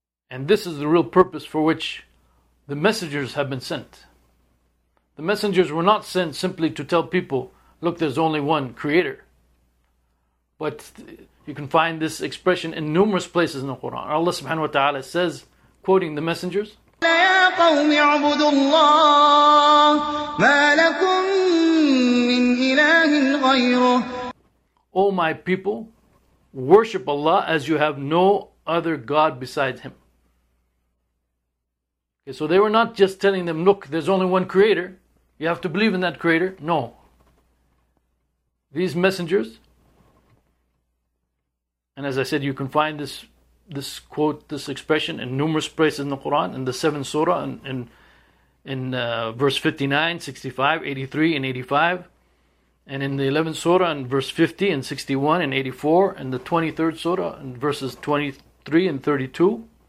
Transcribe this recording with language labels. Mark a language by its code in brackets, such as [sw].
[en] And this is the real purpose for which the messengers have been sent. The messengers were not sent simply to tell people, look, there's only one creator. But you can find this expression in numerous places in the Quran. Allah subhanahu wa ta'ala says, quoting the messengers, [ar] يا قوم اعبدوا الله ما لكم من إله غيره. [en] O my people, worship Allah as you have no other God besides Him. Okay, so they were not just telling them, look, there's only one creator. You have to believe in that creator. No. These messengers, and as I said, you can find this quote, this expression in numerous places in the Quran, in the seventh surah, in verse 59, 65, 83, and 85, and in the 11th surah, in verse 50, and 61, and 84, and the 23rd surah, in verses 23 and 32.